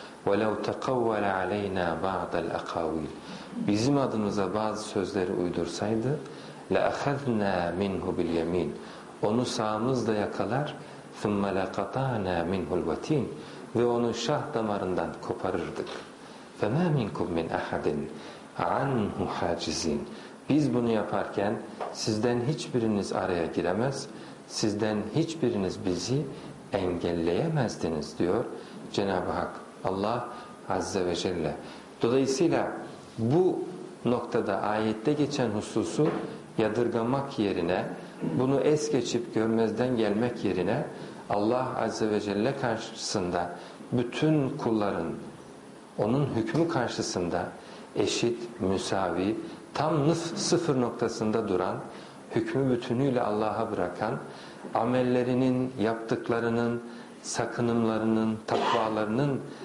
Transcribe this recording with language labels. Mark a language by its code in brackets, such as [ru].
[ar] وَلَوْ تَقَوَّلَ عَلَيْنَا بَعْضَ الْاَقَاوِيلِ. [tr] Bizim adımıza bazı sözleri uydursaydı [ar] لَأَخَذْنَا مِنْهُ بِالْيَم۪ينَ. [tr] Onu sağımızla yakalar [ar] ثُمَّ لَقَطَعْنَا مِنْهُ الْوَت۪ينَ. [tr] Ve onu şah damarından koparırdık. [ar] فما منكم من أحد عنه حاجزين. [tr] Biz bunu yaparken sizden hiçbiriniz araya giremez, sizden hiçbiriniz bizi engelleyemezdiniz diyor Cenab-ı Hak Allah Azze ve Celle. Dolayısıyla bu noktada ayette geçen hususu yadırgamak yerine, bunu es geçip görmezden gelmek yerine Allah Azze ve Celle karşısında bütün kulların onun hükmü karşısında eşit, müsavi, tam sıfır noktasında duran, hükmü bütünüyle Allah'a bırakan, amellerinin, yaptıklarının, sakınımlarının, takvalarının